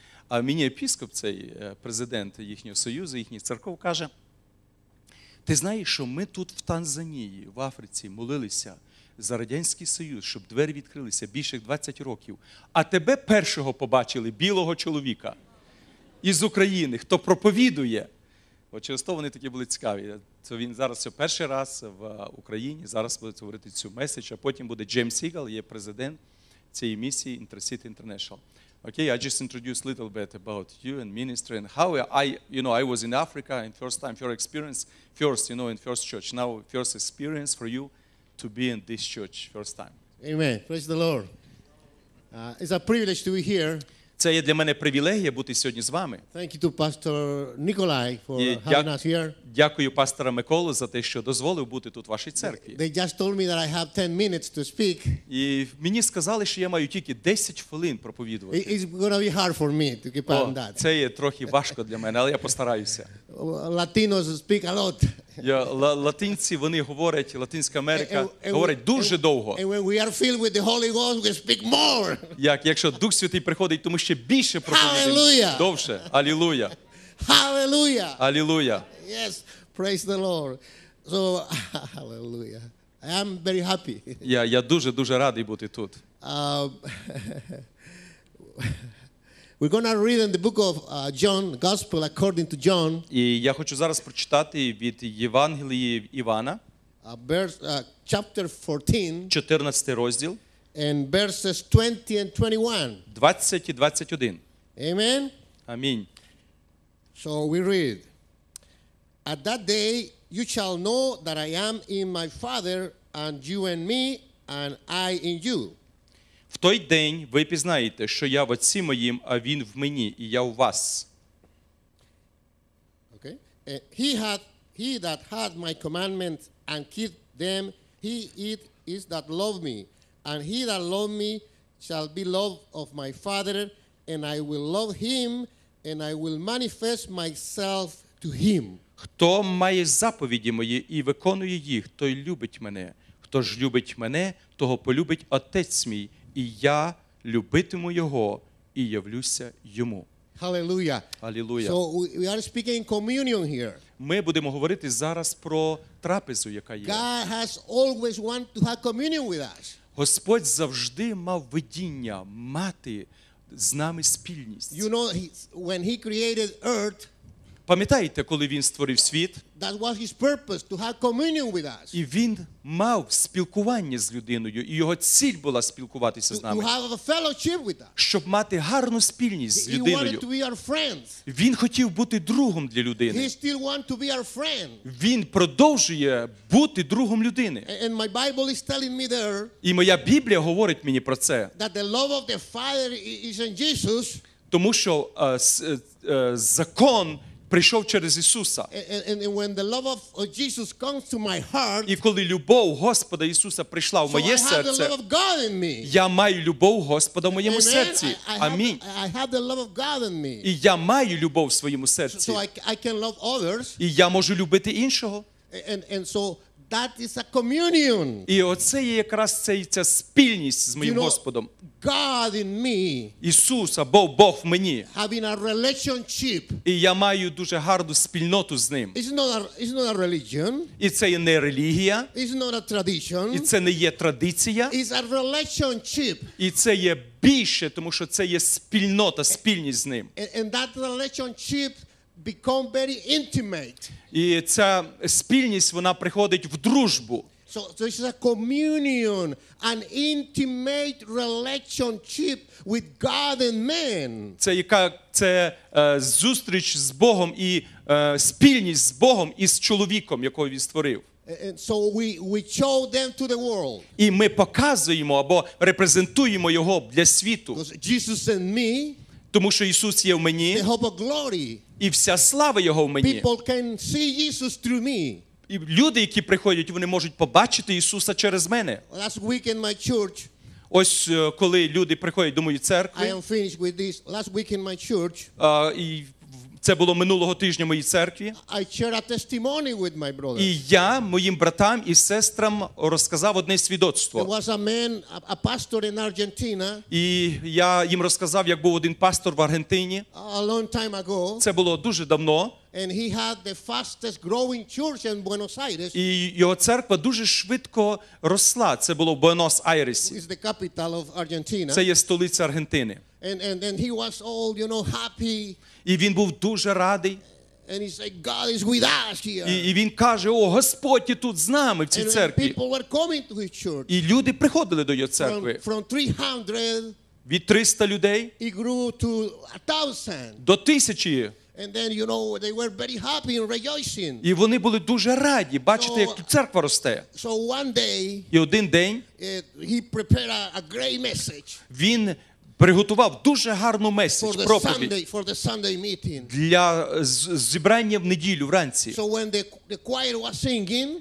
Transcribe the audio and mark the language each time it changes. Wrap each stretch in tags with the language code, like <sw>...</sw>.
<uk>А мені єпіскоп цей, президент їхнього союзу, їхніх церков, каже, ти знаєш, що ми тут в Танзанії, в Африці, молилися за Радянський Союз, щоб двері відкрилися більше 20 років, а тебе першого побачили, білого чоловіка, із України, хто проповідує. Очевидно, вони такі були цікаві. Це він зараз це перший раз в Україні, зараз буде говорити цю меседж, а потім буде Джеймс Сігал, є президент цієї місії Intercity International.</uk> <en>Okay, I just introduced a little bit about you and ministry and how I was in Africa and first time, your experience, in first church. Now, first experience for you to be in this church first time. Amen. Praise the Lord. It's a privilege to be here.</en> <uk>Це є для мене привілегія бути сьогодні з вами.</uk> <en>Thank you to Pastor Nikolai for having us here.</en> <uk>Дякую пастору Миколі за те, що дозволив бути тут в вашій церкві.</uk> <en>They just told me that I have 10 minutes to speak.</en> <uk>І мені сказали, що я маю тільки 10 хвилин проповідувати.</uk> <en>It's going to be hard for me to keep on that.</en> <uk>Це є трохи важко для мене, але я постараюся.</uk> <en>Latinos speak a lot.</en> <uk>Латинці, вони говорять, Латинська Америка говорить дуже довго.</uk> <en>And when we are filled with the Holy Ghost, we speak more.</en> <uk>Якщо Дух Святий приходить, тому ще більше проповідаємо, довше. Алілуя. Алілуя. Алілуя.</uk> <en>Yes, praise the Lord. So, hallelujah. I am very happy.</en> <uk>Я дуже-дуже радий бути тут.</uk> <en>We're going to read in the book of John, Gospel according to John.</en> <uk>І я хочу зараз прочитати від Євангелії Івана.</uk> <en>Chapter 14.</en> <uk>14 розділ.</uk> <en>And verses 20 and 21.</en> <uk>20 і 21.</uk> <en>Amen.</en> <uk>Амінь.</uk> <en>So we read. At that day you shall know that I am in my Father, and you in me, and I in you.</en> <uk>В той день ви пізнаєте, що я в Отці моїм, а Він в мені, і я у вас.</uk> <en>Okay. He that hath my commandments and keep them, he it is that love me. And he that love me shall be loved of my Father, and I will love him, and I will manifest myself to him.</en> <uk>Хто має заповіді мої і виконує їх, той любить мене. Хто ж любить мене, того полюбить Отець мій. І я любитиму його і явлюся йому. Халелуя. Алілуя.</uk> <en>So we are speaking communion here.</en> <uk>Ми будемо говорити зараз про трапезу, яка є.</uk> <en>God has always wanted to have communion with us.</en> <uk>Господь завжди мав видіння мати з нами спільність.</uk> <en>You know, when he created earth,</en> <uk>пам'ятаєте, коли він створив світ?</uk> <en>That was his purpose, to have communion with us.</en> <uk>І він мав спілкування з людиною, і його ціль була спілкуватися з нами.</uk> <en>To have a fellowship with us.</en> <uk>Щоб мати гарну спільність з людиною.</uk> <en>He wanted to be our friends.</en> <uk>Він хотів бути другом для людини.</uk> <en>He still want to be our friend.</en> <uk>Він продовжує бути другом людини.</uk> <en>And my Bible is telling me there.</en> <uk>І моя Біблія говорить мені про це.</uk> <en>That the love of the Father is in Jesus.</en> <uk>Тому що закон прийшов через Ісуса.</uk> <en>And when the love of Jesus comes to my heart,</en> <uk>і коли любов Господа Ісуса прийшла в моє серце,</uk> <en>so I have the love of God in me.</en> <uk>Я маю любов Господа в моєму серці. Амінь.</uk> <en>I have the love of God in me.</en> <uk>І я маю любов в своєму серці.</uk> <en>So I can love others.</en> <uk>І я можу любити іншого.</uk> <en>And so That is a communion.</en> <uk>І оце є якраз ця спільність з моїм Господом.</uk> <en>God in me.</en> <uk>Ісус або Бог в мені.</uk> <en>Having a relationship.</en> <uk>І я маю дуже гарну спільноту з ним.</uk> <en>It's not a religion.</en> <uk>І це не релігія.</uk> <en>It's not a tradition.</en> <uk>І це не є традиція.</uk> <en>It's a relationship.</en> <uk>І це є більше, тому що це є спільнота, спільність з ним.</uk> <en>And that relationship become very intimate.</en> <uk>І ця спільність, вона приходить в дружбу.</uk> <en>So it's a communion, an intimate relationship with God and man.</en> <uk>Це яка це зустріч з Богом і спільність з Богом і з чоловіком, якого він створив.</uk> <en>And so we show them to the world.</en> <uk>І ми показуємо або репрезентуємо його для світу.</uk> <en>Jesus and me.</en> <uk>Тому що Ісус є в мені.</uk> <en>The hope of glory.</en> <uk>І вся слава Його в мені.</uk> <en>People can see Jesus through me.</en> <uk>І люди, які приходять, вони можуть побачити Ісуса через мене.</uk> <en>Last week in my church.</en> <uk>Ось коли люди приходять до моєї церкви.</uk> <en>I am finished with this. Last week in my church.</en> <uk>І це було минулого тижня в моїй церкві.</uk> <en>I share a testimony with my brothers.</en> <uk>І я моїм братам і сестрам розказав одне свідоцтво.</uk> <en>There was a man, a pastor in Argentina.</en> <uk>І я їм розказав, як був один пастор в Аргентині.</uk> <en>A long time ago.</en> <uk>Це було дуже давно.</uk> <en>And he had the fastest growing church in Buenos Aires.</en> <uk>І його церква дуже швидко росла. Це було в Буенос-Айресі.</uk> <en>It's the capital of Argentina.</en> <uk>Це є столиця Аргентини.</uk> <en>And he was all, you know, happy.</en> <uk>І він був дуже радий.</uk> <en>And he said, God is with us here.</en> <uk>І він каже, о, Господь тут з нами в цій церкві.</uk> <en>And people were coming to his church.</en> <uk>І люди приходили до його церкви.</uk> <en>From 300.</en> <uk>Від 300 людей.</uk> <en>He grew to 1,000.</en> <uk>До 1,000.</uk> <en>And then, you know, they were very happy and rejoicing.</en> <uk>І вони були дуже раді бачити, як тут церква росте.</uk> <en>So one day.</en> <uk>І один день.</uk> <en>He prepared a great message.</en> <uk>Він приготував дуже гарну меседж, проповідь.</uk> <en>For the Sunday meeting.</en> <uk>Для зібрання в неділю вранці.</uk> <en>So when the choir was singing.</en>